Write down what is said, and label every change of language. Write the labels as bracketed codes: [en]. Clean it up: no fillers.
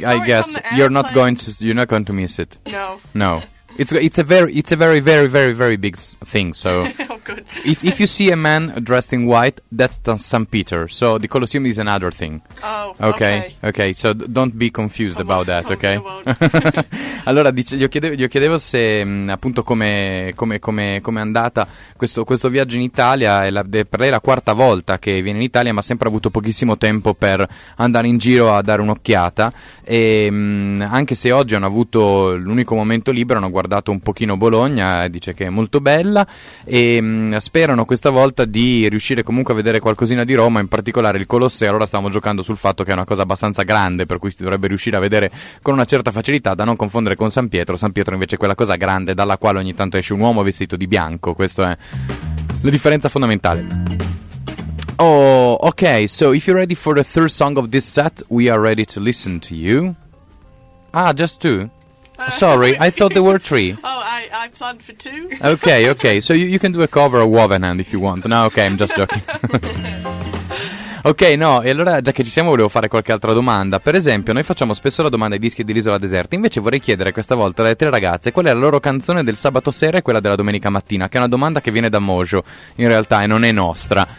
[en] I guess you're not going to miss it. No. No. It's a very, very, very, very big thing. So oh, good. If you see a man dressed in white, that's St. Peter. So the Colosseum is another thing. Oh, okay. Okay, so don't be confused about that, okay? Won't. [it] Allora, io chiedevo se appunto come è andata questo viaggio in Italia. Per lei è la quarta volta che viene in Italia, ma ha sempre avuto pochissimo tempo per andare in giro a dare un'occhiata. E anche se oggi hanno avuto l'unico momento libero, hanno guardato un pochino Bologna, dice che è molto bella, e sperano questa volta di riuscire comunque a vedere qualcosina di Roma, in particolare il Colosseo. Allora stavamo giocando sul fatto che è una cosa abbastanza grande, per cui si dovrebbe riuscire a vedere con una certa facilità, da non confondere con San Pietro invece è quella cosa grande dalla quale ogni tanto esce un uomo vestito di bianco. Questa è la differenza fondamentale. [en] Oh, okay, so if you're ready for the third song of this set, we are ready to listen to you. Ah, just two? Sorry, I thought there were three. Oh, I planned for two. Okay, so you can do a cover of Wovenhand if you want. No, okay, I'm just joking. [it] Ok, no, e allora già che ci siamo volevo fare qualche altra domanda. Per esempio, noi facciamo spesso la domanda ai dischi dell'Isola Deserta, invece vorrei chiedere questa volta alle tre ragazze qual è la loro canzone del sabato sera e quella della domenica mattina, che è una domanda che viene da Mojo in realtà e non è nostra.